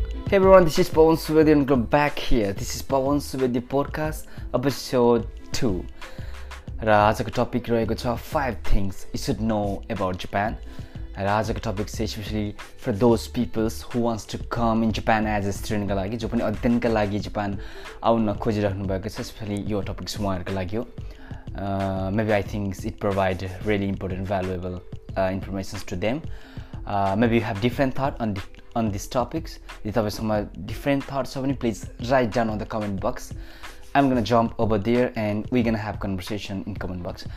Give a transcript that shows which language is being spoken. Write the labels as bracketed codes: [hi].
[en] Hey everyone, this is Pawan Suvedi and welcome back here. This is Pawan Suvedi Podcast Episode 2. र आजको topic रहेको छ 5 things you should know about Japan. [ne] र आजको topic especially for those people who wants to come in Japan as a student का लागि जो पनि अध्ययनका लागि जापान आउन खोजिराख्नु भएको छ especially यो टपिक उहाँहरुको लागि हो. [en] Maybe I think it provide really important valuable information to them. Maybe you have different thought on these topics. If you have different thoughts, please write down on the comment box. I'm gonna jump over there and we're gonna have conversation in comment box.